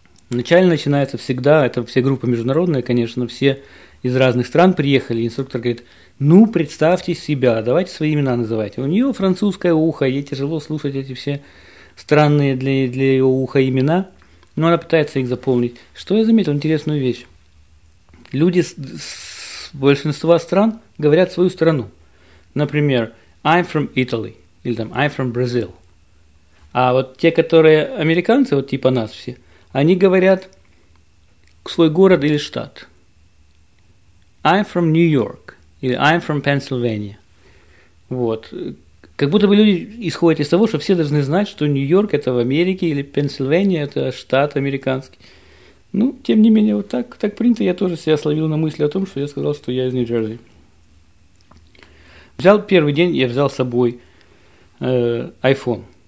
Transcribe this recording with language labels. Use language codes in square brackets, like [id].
[ru] Вначале начинается всегда, это все группы международные, конечно, все из разных стран приехали, инструктор говорит: ну, представьте себя, давайте свои имена называйте. У нее французское ухо, ей тяжело слушать эти все странные для ее уха имена, но она пытается их заполнить. Что я заметил, интересную вещь. Люди с большинства стран говорят свою страну. Например, [en] I'm from Italy, [ru] или там [en] I'm from Brazil. [ru] А вот те, которые американцы, вот типа нас все, они говорят свой город или штат. [en] I'm from New York [ru] или [en] I'm from Pennsylvania. [ru] Вот. Как будто бы люди исходят из того, что все должны знать, что Нью-Йорк – это в Америке, или Пенсильвания – это штат американский. Ну, тем не менее, вот так принято. Я тоже себя словил на мысли о том, что я сказал, что я из Нью-Джерси. Взял первый день, я взял с собой iPhone.